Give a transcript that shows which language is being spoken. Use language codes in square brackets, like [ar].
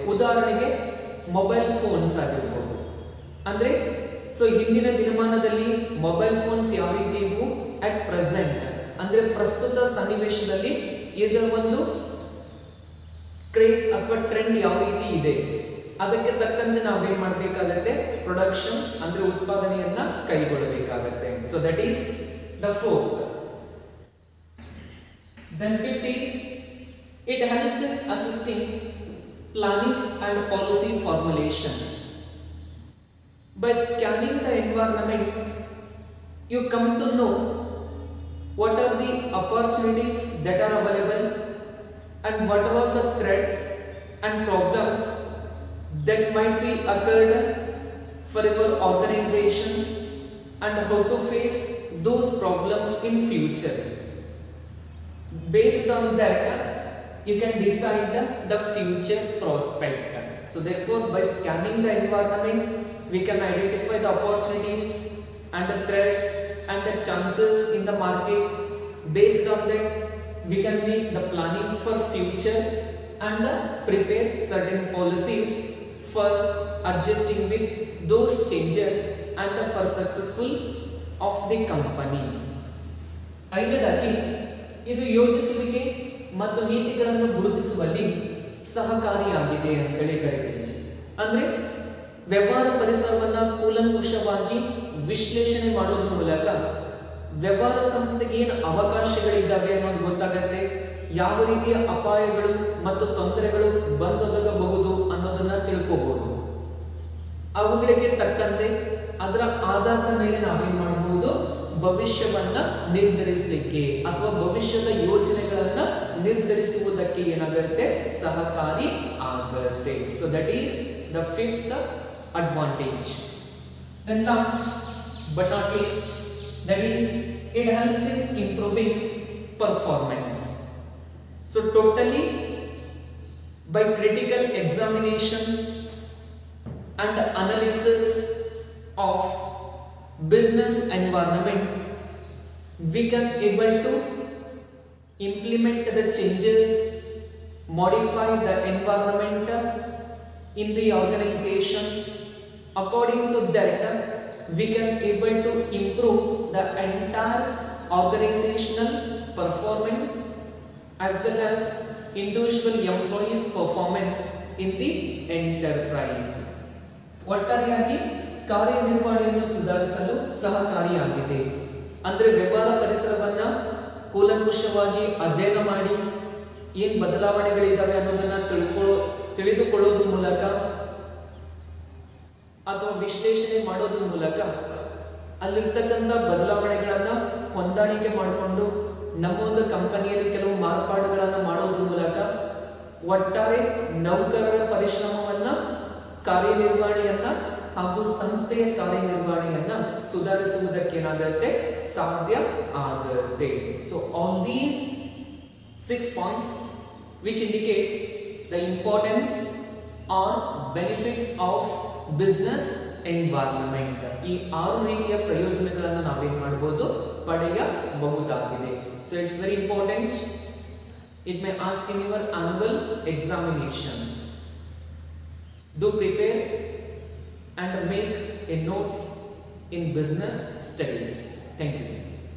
[kn] ಉದಾಹರಣೆಗೆ mobile phones ಆಗಿರ್ಬೋದು. ಅಂದರೆ ಸೊ ಹಿಂದಿನ ದಿನಮಾನದಲ್ಲಿ ಮೊಬೈಲ್ ಫೋನ್ಸ್ ಯಾವ ರೀತಿ ಇದ್ವು, [en] at present [kn] ಅಂದರೆ ಪ್ರಸ್ತುತ ಸನ್ನಿವೇಶದಲ್ಲಿ ಇದರ ಒಂದು ಕ್ರೇಜ್ ಅಥವಾ ಟ್ರೆಂಡ್ ಯಾವ ರೀತಿ ಇದೆ, ಅದಕ್ಕೆ ತಕ್ಕಂತೆ ನಾವೇನು ಮಾಡಬೇಕಾಗತ್ತೆ, ಪ್ರೊಡಕ್ಷನ್ ಅಂದರೆ ಉತ್ಪಾದನೆಯನ್ನು ಕೈಗೊಳ್ಳಬೇಕಾಗತ್ತೆ. [en] So that is the fourth. Then fifth is it helps in assisting planning and policy formulation. By scanning the environment you come to know what are the opportunities that are available and what are all the threats and problems that might be occurred for your organization and how to face those problems in future. Based on that you can decide the future prospect. So therefore by scanning the environment we can identify the opportunities and the threats and the chances in the market. Based on that we can make the planning for future and prepare certain policies for adjusting with those changes and for successful of the company. [kn] ಐದನೇದಾಗಿ ಇದು ಯೋಜಿಸುವಿಕೆ ಮತ್ತು ನೀತಿಗಳನ್ನು ಗುರುತಿಸುವಲ್ಲಿ ಸಹಕಾರಿಯಾಗಿದೆ ಅಂತೇಳಿ ಕರಿತೀವಿ. ಅಂದರೆ ವ್ಯವಹಾರ ಪರಿಸರವನ್ನು ಕೂಲಂಕುಷವಾಗಿ ವಿಶ್ಲೇಷಣೆ ಮಾಡೋದ್ರ ಮೂಲಕ ವ್ಯವಹಾರ ಸಂಸ್ಥೆಗೆ ಏನು ಅವಕಾಶಗಳಿದ್ದಾವೆ ಅನ್ನೋದು ಗೊತ್ತಾಗತ್ತೆ, ಯಾವ ರೀತಿಯ ಅಪಾಯಗಳು ಮತ್ತು ತೊಂದರೆಗಳು ಬಂದೊದಗಬಹುದು ಅನ್ನೋದನ್ನು ತಿಳ್ಕೋಬಹುದು. ಅವುಗಳಿಗೆ ತಕ್ಕಂತೆ ಅದರ ಆಧಾರದ ಮೇಲೆ ನಾವೇನು ಮಾಡಬಹುದು, ಭವಿಷ್ಯವನ್ನು ನಿರ್ಧರಿಸಲಿಕ್ಕೆ ಅಥವಾ ಭವಿಷ್ಯದ ಯೋಜನೆಗಳನ್ನು ನಿರ್ಧರಿಸುವುದಕ್ಕೆ ಏನಾಗುತ್ತೆ, ಸಹಕಾರಿ ಆಗುತ್ತೆ. [en] So that is the fifth advantage. Then last but not least, that is it helps in improving performance. So totally, by critical examination and analysis of business environment, we can able to implement the changes, modify the environment in the organization. According to that, we can able to improve the entire organizational performance as well as individual employees' performance in the enterprise. [kn] ಒಟ್ಟಾರೆಯಾಗಿ ಕಾರ್ಯನಿರ್ವಹಣೆಯನ್ನು ಸುಧಾರಿಸಲು ಸಹಕಾರಿಯಾಗಿದೆ. ಅಂದರೆ ವ್ಯವಹಾರ ಪರಿಸರವನ್ನ ಕೂಲಂಕುಷವಾಗಿ ಅಧ್ಯಯನ ಮಾಡಿ ಏನು ಬದಲಾವಣೆಗಳಿದ್ದಾವೆ ಅನ್ನೋದನ್ನು ತಿಳಿದುಕೊಳ್ಳೋದ್ರ ಮೂಲಕ ಅಥವಾ ವಿಶ್ಲೇಷಣೆ ಮಾಡೋದ್ರ ಮೂಲಕ ಅಲ್ಲಿರ್ತಕ್ಕಂಥ ಬದಲಾವಣೆಗಳನ್ನು ಹೊಂದಾಣಿಕೆ ಮಾಡಿಕೊಂಡು ನಮ್ಮ ಒಂದು ಕಂಪನಿಯಲ್ಲಿ ಕೆಲವು ಮಾರ್ಪಾಡುಗಳನ್ನು ಮಾಡೋದ್ರ ಮೂಲಕ ಒಟ್ಟಾರೆ ನೌಕರರ ಪರಿಶ್ರಮವನ್ನು ಕಾರ್ಯನಿರ್ವಹಣೆಯನ್ನು ಹಾಗೂ ಸಂಸ್ಥೆಯ ಕಾರ್ಯನಿರ್ವಹಣೆಯನ್ನು ಸುಧಾರಿಸುವುದಕ್ಕೇನಾಗುತ್ತೆ ಸಾಧ್ಯ ಆಗುತ್ತೆ. [en] So all these six points which indicates the importance or benefits of business environment. [kn] ಈ ಆರು ರೀತಿಯ ಪ್ರಯೋಜನಗಳನ್ನು ನಾವೇನು ಮಾಡ್ಬೋದು ಪಡೆಯಬಹುದಾಗಿದೆ. [en] So it's very important, it may ask in your annual examination. Do prepare and make a notes in business studies. Thank you.